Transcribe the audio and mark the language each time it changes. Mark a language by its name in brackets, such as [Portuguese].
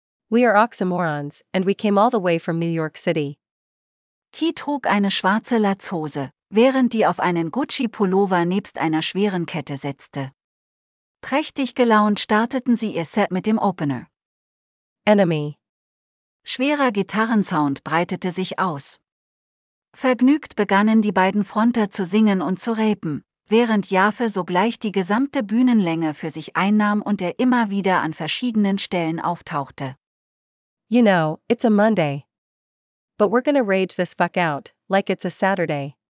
[English] We are Oxymorons, and we came all the way from New York City. [German] Key trug eine schwarze Latzhose, während die auf einen Gucci-Pullover nebst einer schweren Kette setzte. Prächtig gelaunt starteten sie ihr Set mit dem Opener. [English] Enemy. [German] Schwerer Gitarrensound breitete sich aus. Vergnügt begannen die beiden Fronter zu singen und zu rapen, während Jafe sogleich die gesamte Bühnenlänge für sich einnahm und er immer wieder an verschiedenen Stellen auftauchte. [English] You know, it's a Monday. But we're gonna rage this fuck out, like it's a Saturday.